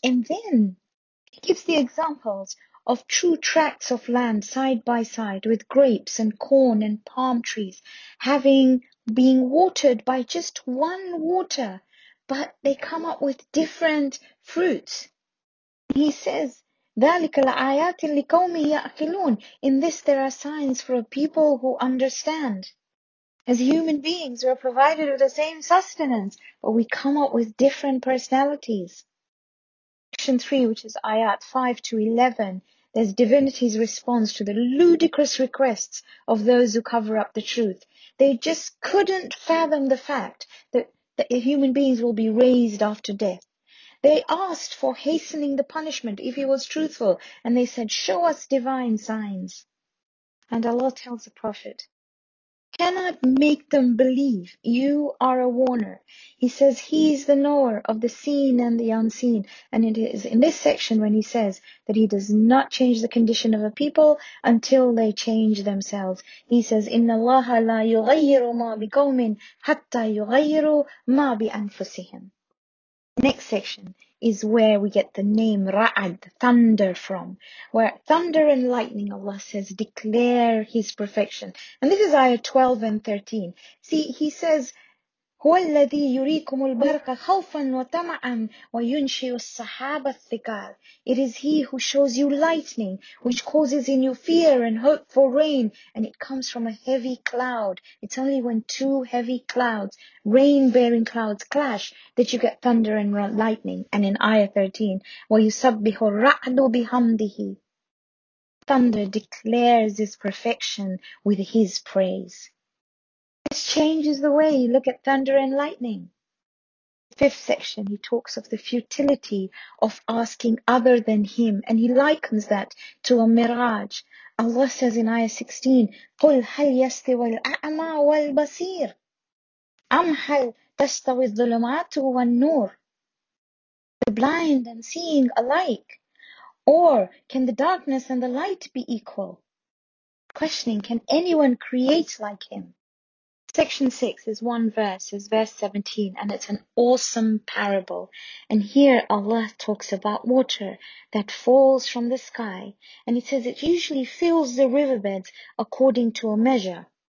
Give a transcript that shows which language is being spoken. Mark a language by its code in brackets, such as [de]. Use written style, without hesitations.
[en] And then he gives the examples of true tracts of land side by side with grapes and corn and palm trees being watered by just one water, but they come up with different fruits. He says, [ar] ذَلِكَ لَآيَاتٍ لِكَوْمِ يَأْكِلُونَ. [en] In this there are signs for a people who understand. As human beings, we are provided with the same sustenance, but we come up with different personalities. Section 3, which is Ayat 5 to 11, there's divinity's response to the ludicrous requests of those who cover up the truth. They just couldn't fathom the fact that human beings will be raised after death. They asked for hastening the punishment if he was truthful, and they said, show us divine signs. And Allah tells the Prophet, cannot make them believe you are a warner. He says he is the knower of the seen and the unseen. And it is in this section when he says that he does not change the condition of a people until they change themselves. He says, [ar] إِنَّ اللَّهَ لَا يُغَيِّرُ مَا بِقَوْمٍ حَتَّى يُغَيِّرُ مَا بِأَنفُسِهِمْ. [en] Next section is where we get the name Ra'ad, thunder, from. Where thunder and lightning, Allah says, declare his perfection. And this is ayah 12 and 13. See, he says, [ar] هو الذي يريكم البرق خوفا وطمعا وينشئ السحاب الثقال. [en] It is he who shows you lightning, which causes in you fear and hope for rain, and it comes from a heavy cloud. It's only when two heavy clouds, rain-bearing clouds, clash that you get thunder and lightning. And in ayah 13, [ar] وَيُسَبِّحُ الرَّعْدُ بِحَمْدِهِ. [en] Thunder declares his perfection with his praise. This changes the way you look at thunder and lightning. Fifth section, he talks of the futility of asking other than him, and he likens that to a mirage. Allah says in ayah 16, [ar] قُلْ هَلْ يَسْتِوَى الْأَعْمَى وَالْبَصِيرُ أَمْ هَلْ تَسْتَوِي الظُّلُمَاتُ وَالنُّورُ. [en] The blind and seeing alike, or can the darkness and the light be equal? Questioning, can anyone create like him? Section 6 is one verse, is verse 17, and it's an awesome parable. And here Allah talks about water that falls from the sky, and it says it usually fills the riverbeds according to a measure.